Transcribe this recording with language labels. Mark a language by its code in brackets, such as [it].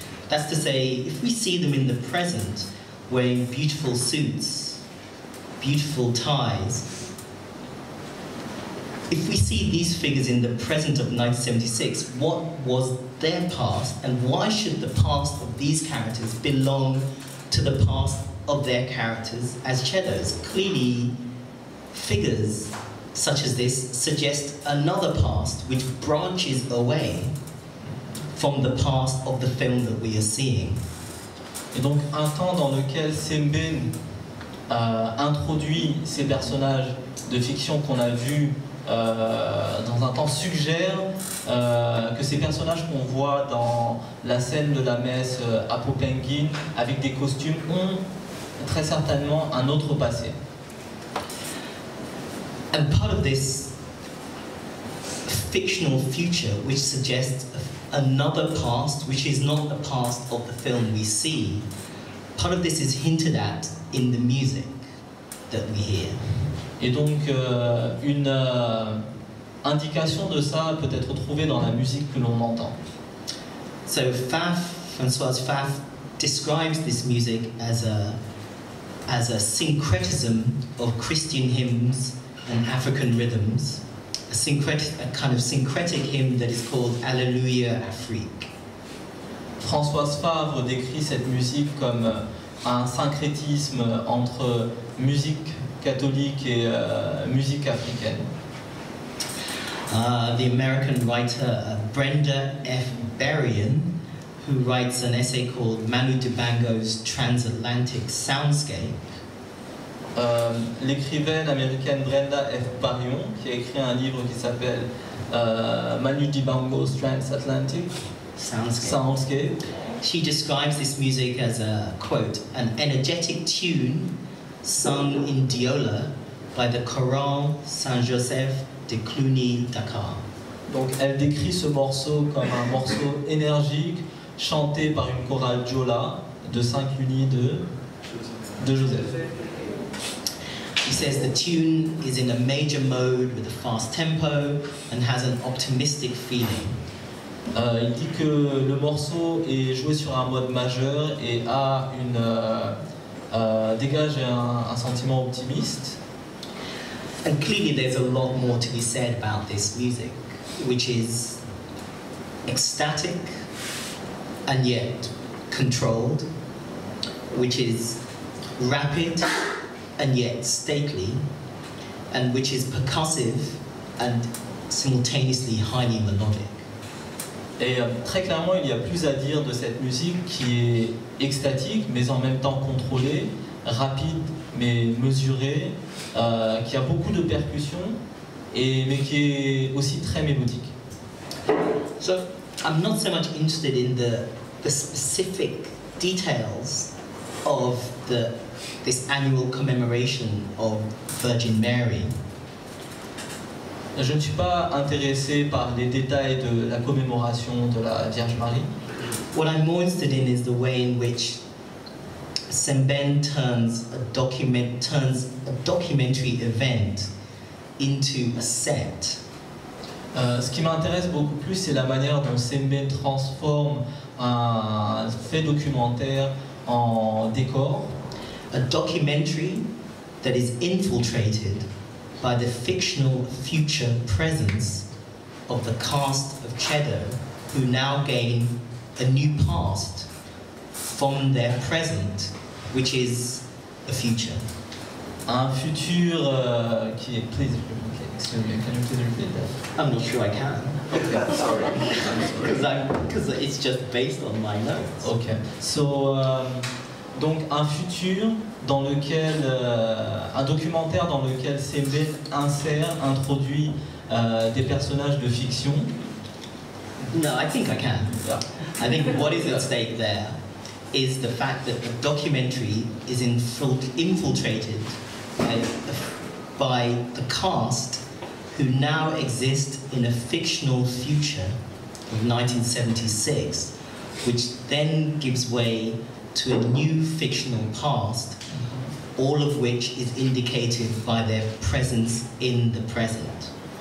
[en] That's to say, if we see them in the present, wearing beautiful suits, beautiful ties, if we see these figures in the present of 1976, what was their past, and why should the past of these characters belong to the past of their characters as Chedo's? Clearly, figures such as this suggest another past which branches away from the past of the film that we are seeing. [fr] Et donc un temps dans lequel Sembène introduit ces personnages de fiction qu'on a vus dans un temps suggère que ces personnages qu'on voit dans la scène de la messe à Popengin avec des costumes ont très certainement un autre passé. [en] And part of this fictional future which suggests another past which is not the past of the film we see, part of this is hinted at in the music that we hear. [fr] Et donc une indication de ça peut être trouvée dans la musique que l'on entend. [en] So Pfaff, Françoise Pfaff, describes this music as a syncretism of Christian hymns and African rhythms, a kind of syncretic hymn that is called Alleluia Afrique. [fr] Françoise Favre décrit cette musique comme un syncrétisme entre musique catholique et musique africaine. [en] The American writer Brenda F. Berrien, who writes an essay called Manu Dibango's Transatlantic Soundscape, [fr] L'écrivaine américaine Brenda F. Barion, qui a écrit un livre qui s'appelle Manu Dibango's Transatlantic [en] Soundscape. She describes this music as a quote, an energetic tune sung in Diola by the chorale Saint-Joseph de Cluny-Dakar. [fr] Donc elle décrit ce morceau comme un morceau énergique chanté par une chorale Diola de Saint-Cluny de Joseph. [en] He says the tune is in a major mode with a fast tempo and has an optimistic feeling. [fr] Il dit que le morceau est joué sur un mode majeur et a une dégage un sentiment optimiste. [en] And clearly there's a lot more to be said about this music, which is ecstatic and yet controlled, which is rapid and yet stately, and which is percussive and simultaneously highly melodic. [fr] Et très clairement, il y a plus à dire de cette musique qui est extatique, mais en même temps contrôlée, rapide, mais mesurée, qui a beaucoup de percussions, mais qui est aussi très mélodique. [en] So, I'm not so much interested in the specific details of this annual commemoration of Virgin Mary. [fr] Je ne suis pas intéressé par les détails de la commémoration de la Vierge Marie. [en] What I'm more interested in is the way in which Sembène turns a documentary event into a set. [fr] Ce qui m'intéresse beaucoup plus, c'est la manière dont Sembène transforme un fait documentaire en décor. [en] A documentary that is infiltrated by the fictional future presence of the cast of Cheddar, who now gain a new past from their present, which is the future. [fr] Un futur qui est... [en] Please, okay, excuse me, can you please repeat that? I'm not sure I can. Okay, sorry. Because it's just based on my notes. Okay, so... [fr] Donc un futur dans lequel, un documentaire dans lequel Sembène introduit des personnages de fiction. [en] No, I think I can. Yeah. I think what is at stake there is the fact that the documentary is infiltrated by the cast who now exist in a fictional future of 1976, which then gives way to a new fictional past, all of which is indicated by their presence in the present.